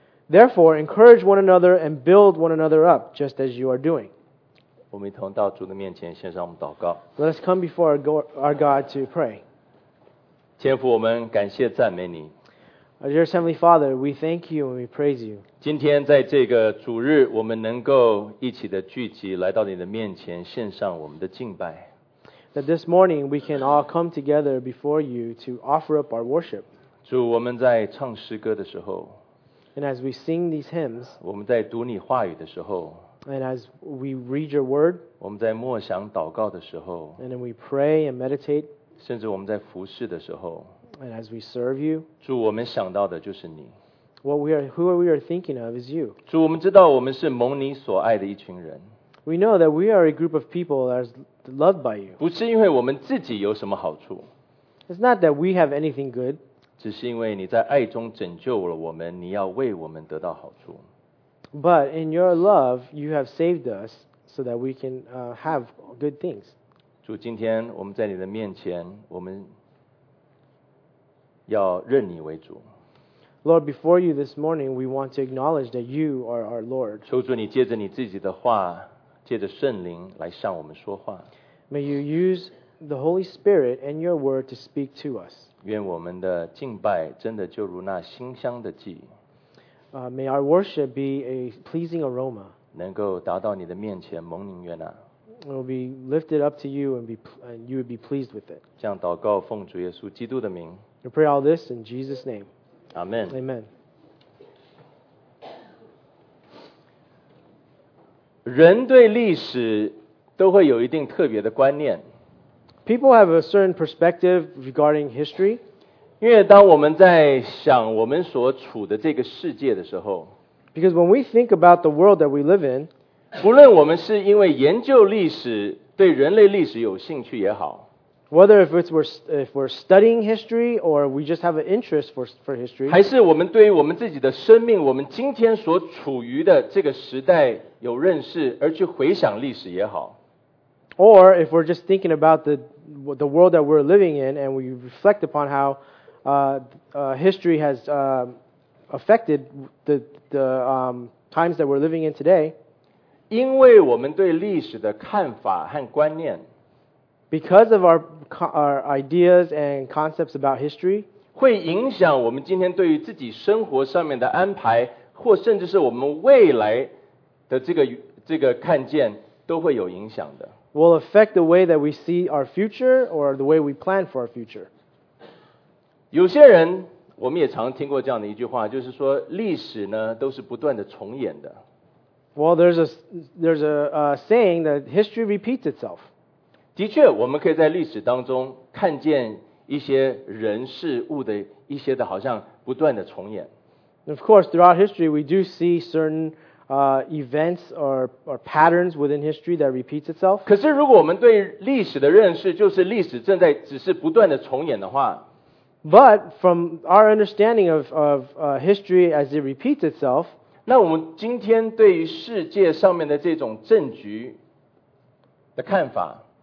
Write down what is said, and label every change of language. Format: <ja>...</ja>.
<en>Therefore, encourage one another and build one another up, just as you are doing. Let us come before our God to pray.</en> <zh>天父，我们感谢赞美你。</zh> <en>Our dear Heavenly Father, we thank you and we praise you.</en> <zh>今天在这个主日，我们能够一起的聚集，来到你的面前，献上我们的敬拜。</zh> <en>That this morning we can all come together before you to offer up our worship.</en> <zh>主，我们在唱诗歌的时候。</zh> <en>And as we sing these hymns,</en> <zh>我们在读你话语的时候。</zh> <en>And as we read your word,</en> <zh>我们在默想祷告的时候。</zh> <en>And then we pray and meditate,</en> <zh>甚至我们在服事的时候。</zh> <en>And as we serve you,</en> <zh>主，我们想到的就是你。</zh> <en>Who we are thinking of is you.</en> <zh>主，我们知道我们是蒙你所爱的一群人。</zh> <en>We know that we are a group of people that is loved by you.</en> <zh>不是因为我们自己有什么好处。</zh> <en>It's not that we have anything good.</en> <zh>只是因为你在爱中拯救了我们，你要为我们得到好处。</zh> <en>But in your love, you have saved us so that we can have good things.</en> <zh>主，今天我们在你的面前，我们要认你为主。</zh> <en>Lord, before you this morning, we want to acknowledge that you are our Lord.</en> <zh>求主你借着你自己的话，借着圣灵来向我们说话。</zh> <en>May you use the Holy Spirit and your word to speak to us.</en> <zh>愿我们的敬拜真的就如那馨香的祭。</zh> <en>May our worship be a pleasing aroma.</en> <zh>能够达到你的面前蒙你悦纳。</zh> <en>It will be lifted up to you and you would be pleased with it.</en> <zh>这样祷告奉主耶稣基督的名。</zh> <en>We pray all this in Jesus' name. Amen. Amen.</en> <zh>人对历史都会有一定特别的观念。</zh> <en>People have a certain perspective regarding history.</en> <zh>因为当我们在想我们所处的这个世界的时候。</zh> <en>Because when we think about the world that we live in.</en> <zh>不论我们是因为研究历史，对人类历史有兴趣也好。</zh> <en>Whether if we're studying history or we just have an interest for history,</en> <zh>还是我们对于我们自己的生命，我们今天所处于的这个时代有认识，而去回想历史也好。</zh> <en>Or if we're just thinking about the world that we're living in and we reflect upon how history has affected the times that we're living in today,</en> <zh>因为我们对历史的看法和观念。</zh> <en>Because of our ideas and concepts about history,</en> <zh>会影响我们今天对于自己生活上面的安排，或甚至是我们未来的这个看见，都会有影响的。</zh> <en>Will affect the way that we see our future or the way we plan for our future.</en> <zh>有些人，我们也常听过这样的一句话，就是说历史呢，都是不断的重演的。</zh> <en>Well, there's a saying that history repeats itself.</en> <zh>的确，我们可以在历史当中看见一些人事物的一些的，好像不断的重演。</zh> <en>Of course, throughout history, we do see certain events or patterns within history that repeats itself.</en> <zh>可是，如果我们对历史的认识就是历史正在只是不断的重演的话</zh> <en>，But from our understanding of history as it repeats itself,</en> <zh>那我们今天对于世界上面的这种政局的看法。</zh>